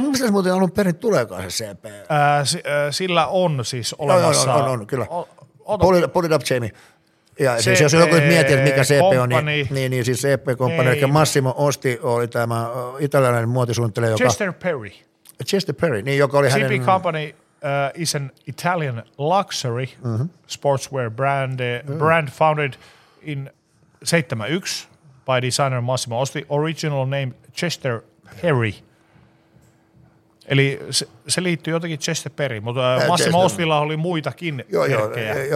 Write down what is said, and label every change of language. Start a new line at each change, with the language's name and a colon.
Finnish: Mistä se muuten alun perin tuleekaan se CP? Sillä on siis olemassa. On, kyllä.
English: Pull it up, Jamie.
Finnish: Ja siis jos joku mietti, että mikä CP on, niin siis CP Company. Eli Massimo Osti oli tämä italialainen muotisuunnittelija, joka... Chester Perry. Chester Perry, niin joka oli CP hänen...
English: CP Company is an Italian luxury sportswear brand, brand founded in 71 by designer Massimo Osti, original name Chester Perry.
Finnish: Eli se liittyy jotenkin Chester Perry, mutta Massimo Ostilla oli muitakin merkkejä.